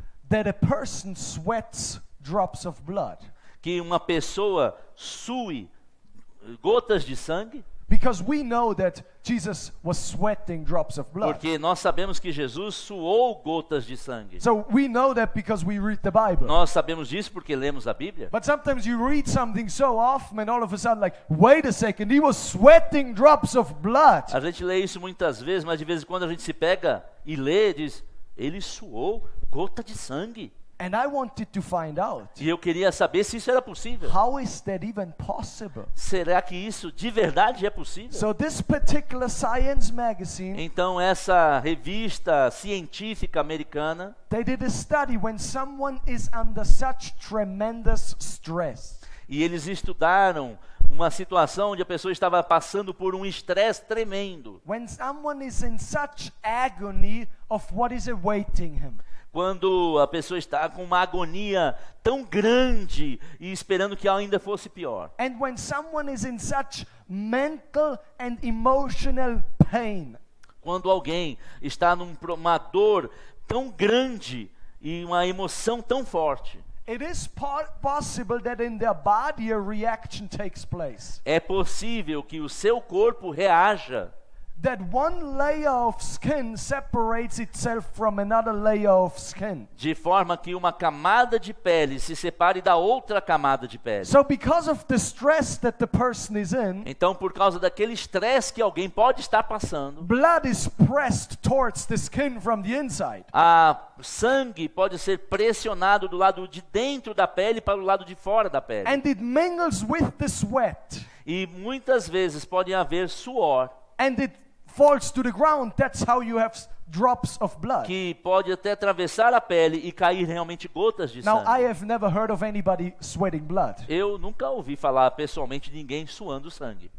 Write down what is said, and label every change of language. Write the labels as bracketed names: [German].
[English] that a person sweats drops of blood? [Portuguese] Que uma pessoa sue gotas de sangue? [English] Because we know that Jesus was sweating drops of blood. [Portuguese] Porque nós sabemos que Jesus suou gotas de sangue. [English] So we know that because we read the Bible. [Portuguese] Nós sabemos disso porque lemos a Bíblia. [English] But sometimes you read something so often and all of a sudden like, wait a second, he was sweating drops of blood. [Portuguese] A gente lê isso muitas vezes, mas de vez em quando a gente se pega e lê e diz, ele suou gota de sangue. [English] And I wanted to find out. [Portuguese] E eu queria saber se isso era possível. [English] How is that even possible? [Portuguese] Será que isso de verdade é possível? [English] So this particular science magazine. [Portuguese] Então essa revista científica americana. [English] They did a study when someone is under such tremendous stress. [Portuguese] E eles estudaram uma situação onde a pessoa estava passando por um estresse tremendo. [English] When someone is in such agony of what is awaiting him. [Portuguese] Quando a pessoa está com uma agonia tão grande e esperando que ainda fosse pior. [English] And when someone is in such mental and emotional pain. [Portuguese] Quando alguém está numa dor tão grande e uma emoção tão forte. [English] It is possible that in their body a reaction takes place. [Portuguese] É possível que o seu corpo reaja. [English] That one layer of skin separates itself from another layer of skin. [Portuguese] De forma que uma camada de pele se separe da outra camada de pele. [English] So because of the stress that the person is in. [Portuguese] Então por causa daquele estresse que alguém pode estar passando. [English] Blood is pressed towards the skin from the inside. [Portuguese] A sangue pode ser pressionado do lado de dentro da pele para o lado de fora da pele. [English] And it mingles with the sweat. [Portuguese] E muitas vezes pode haver suor. [English] And it falls to the ground. That's how you have drops of blood. [Portuguese] Que pode até atravessar a pele e cair realmente gotas de sangue. [English] Now I have never heard of anybody sweating blood. [Portuguese] Eu nunca ouvi falar pessoalmente de ninguém suando sangue.